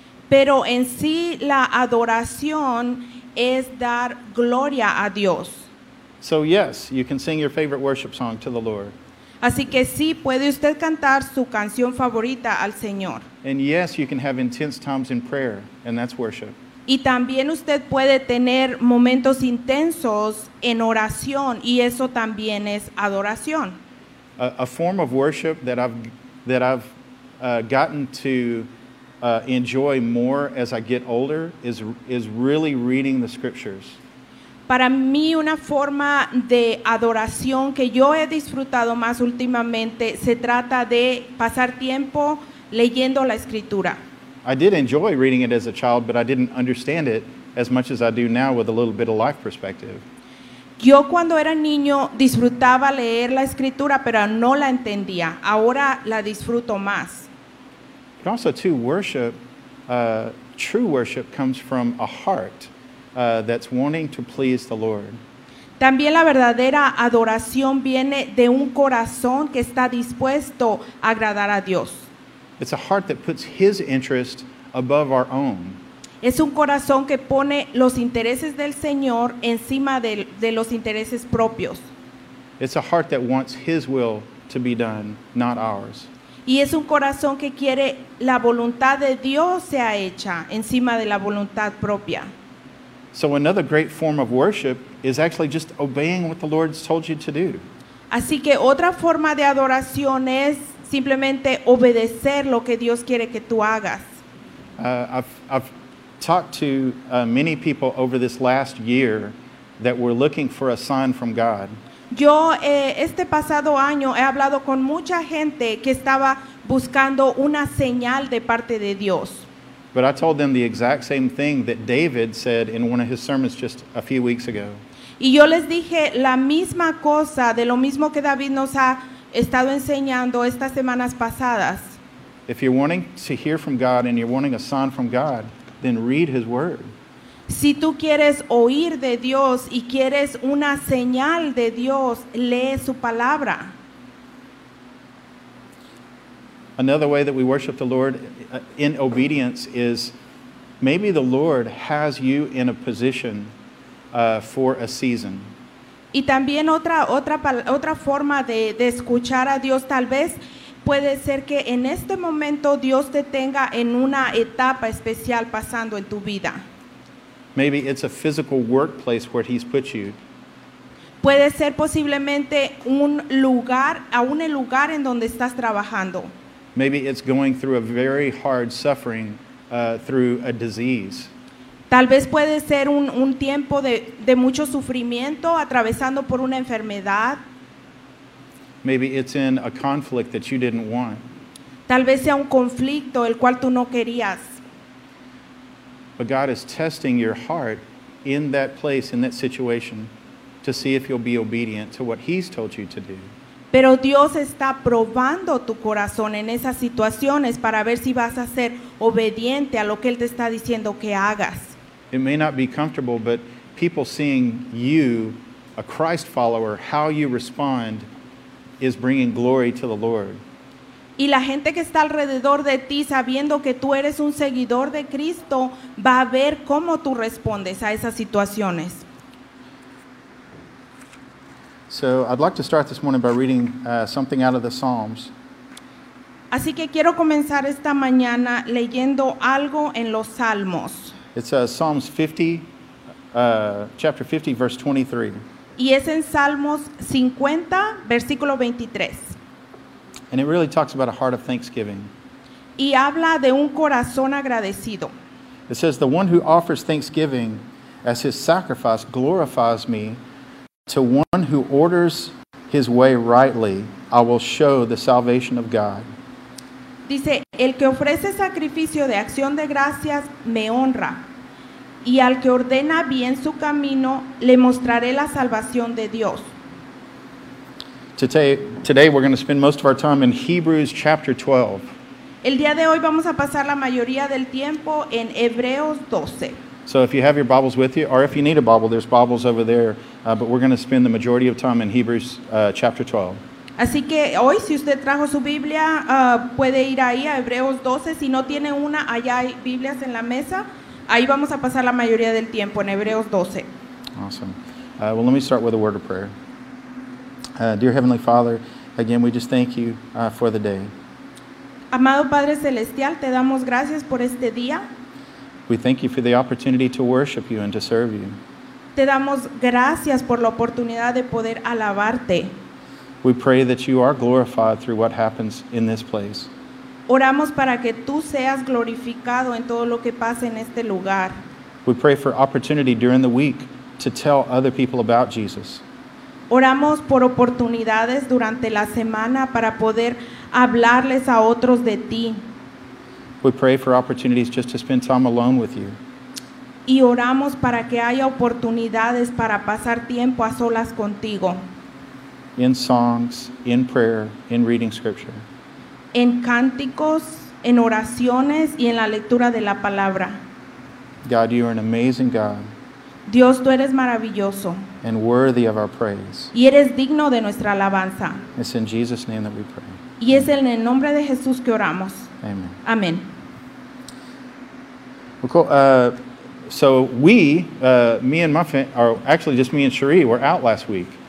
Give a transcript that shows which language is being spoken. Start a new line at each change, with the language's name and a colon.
Spanish: Pero en sí la adoración es dar gloria a Dios.
English: So yes, you can sing your favorite worship song to the Lord.
Spanish: Así que sí, puede usted cantar su canción favorita al Señor.
English: And yes, you can have intense times in prayer, and that's worship.
Spanish: Y también usted puede tener momentos intensos en oración, y eso también es adoración.
English: A form of worship that I've gotten to enjoy more as I get older is really reading the scriptures.
Spanish: Para mí, una forma de adoración que yo he disfrutado más últimamente se trata de pasar tiempo leyendo la escritura.
English: I did enjoy reading it as a child, but I didn't understand it as much as I do now with a little bit of life perspective.
Spanish: Yo cuando era niño disfrutaba leer la escritura, pero no la entendía. Ahora la disfruto más.
English: But also too, worship, true worship comes from a heart that's wanting to please the Lord.
Spanish: También la verdadera adoración viene de un corazón que está dispuesto a agradar a Dios.
English: It's a heart that puts his interest above our own.
Spanish: Es un corazón que pone los intereses del Señor encima de los intereses propios.
English: It's a heart that wants his will to be done, not ours.
Spanish: Y es un corazón que quiere la voluntad de Dios sea hecha encima de la voluntad propia.
English: So another great form of worship is actually just obeying what the Lord's told you to do.
Spanish: Así que otra forma de adoración es simplemente obedecer lo que Dios quiere que tú hagas.
English: I've talked to many people over this last year that were looking for a sign from God.
Spanish: Yo este pasado año he hablado con mucha gente que estaba buscando una señal de parte de Dios.
English: But I told them the exact same thing that David said in one of his sermons just a few weeks ago.
Spanish: Y yo les dije la misma cosa de lo mismo que David nos ha estado enseñando estas semanas pasadas.
English: If you're wanting to hear from God and you're wanting a sign from God, then read his word.
Spanish: Si tú quieres oír de Dios y quieres una señal de Dios, lee su palabra.
English: Another way that we worship the Lord in obedience is maybe the Lord has you in a position for a season.
Spanish: Y también otra forma de escuchar a Dios, tal vez puede ser que en este momento Dios te tenga en una etapa especial pasando en tu vida.
English: Maybe it's a physical workplace where he's put you.
Spanish: Puede ser posiblemente un lugar, aún el lugar en donde estás trabajando.
English: Maybe it's going through a very hard suffering through a disease.
Spanish: Tal vez puede ser un tiempo de mucho sufrimiento atravesando por una enfermedad.
English: Maybe it's in a conflict that you didn't want.
Spanish: Tal vez sea un conflicto el cual tú no querías.
English: But God is testing your heart in that place, in that situation, to see if you'll be obedient to what he's told you to do.
Spanish: Pero Dios está probando tu corazón en esas situaciones para ver si vas a ser obediente a lo que él te está diciendo que hagas.
English: It may not be comfortable, but people seeing you, a Christ follower, how you respond is bringing glory to the Lord.
Spanish: Y la gente que está alrededor de ti, sabiendo que tú eres un seguidor de Cristo, va a ver cómo tú respondes a esas situaciones.
English: So I'd like to start this morning by reading something out of the Psalms.
Spanish: Así que quiero comenzar esta mañana leyendo algo en los Salmos.
English: It's Psalms 50, chapter 50, verse 23.
Spanish: Y es en Salmos 50, versículo 23.
English: And it really talks about a heart of thanksgiving.
Spanish: Y habla de un corazón agradecido.
English: It says, "The one who offers thanksgiving as his sacrifice glorifies me. To one who orders his way rightly, I will show the salvation of God."
Spanish: Dice, el que ofrece sacrificio de acción de gracias me honra, y al que ordena bien su camino le mostraré la salvación de Dios.
English: Today we're going to spend most of our time in Hebrews chapter 12.
Spanish: El día de hoy vamos a pasar la mayoría del tiempo en Hebreos 12.
English: So if you have your Bibles with you, or if you need a Bible, there's Bibles over there. But we're going to spend the majority of time in Hebrews chapter 12.
Spanish: Así que hoy, si usted trajo su Biblia, puede ir ahí a Hebreos 12. Si no tiene una, allá hay Biblias en la mesa. Ahí vamos a pasar la mayoría del tiempo, en Hebreos 12.
English: Awesome. Well, let me start with a word of prayer. Dear Heavenly Father, again, we just thank you for the day.
Spanish: Amado Padre Celestial, te damos gracias por este día.
English: We thank you for the opportunity to worship you and to serve you.
Spanish: Te damos gracias por la oportunidad de poder alabarte.
English: We pray that you are glorified through what happens in this place.
Spanish: Oramos para que tú seas glorificado en todo lo que pasa en este lugar.
English: We pray for opportunity during the week to tell other people about Jesus.
Spanish: Oramos por oportunidades durante la semana para poder hablarles a otros de ti.
English: We pray for opportunities just to spend time alone with you.
Spanish: Y oramos para que haya oportunidades para pasar tiempo a solas contigo.
English: In songs, in prayer, in reading scripture.
Spanish: En cánticos, en oraciones y en la lectura de la palabra.
English: God, you are an amazing God.
Spanish: Dios, tú eres maravilloso.
English: And worthy of our praise.
Spanish: Y eres digno de nuestra alabanza.
English: It's in Jesus' name that we pray.
Spanish: Y es en el nombre de Jesús que oramos.
English: Amen.
Spanish: Amen.
English: Well, cool. So we, me and my family, or actually just me and Cherie, were out last week.